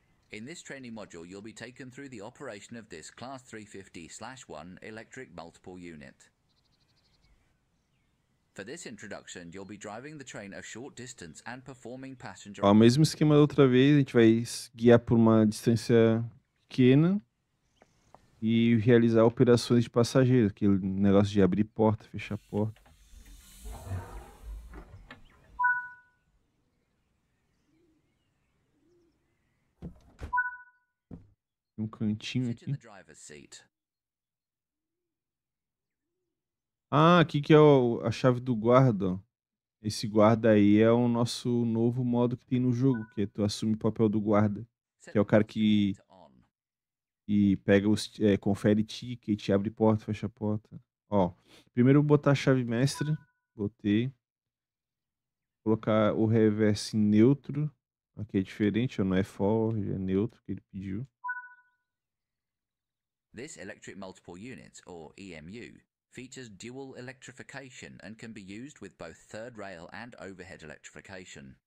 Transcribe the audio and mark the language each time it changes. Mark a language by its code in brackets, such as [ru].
[en] In this training module, you'll be taken through the operation of this Class 350/1 electric multiple unit. For this introduction, you'll be driving the train a short distance and performing passenger... [pt] Ó, mesmo esquema da outra vez, a gente vai guiar por uma distância pequena e realizar operações de passageiro, aquele negócio de abrir porta, fechar porta. Um cantinho aqui. Ah, aqui que é a chave do guarda. Esse guarda aí é o nosso novo modo que tem no jogo, que é tu assume o papel do guarda, que é o cara que pega os confere ticket, abre porta, fecha porta. Ó, primeiro vou botar a chave mestre, botei. Vou colocar o reverse neutro. Aqui é diferente, não é forge, é neutro que ele pediu. [en] This electric multiple unit, or EMU, features dual electrification and can be used with both third rail and overhead electrification.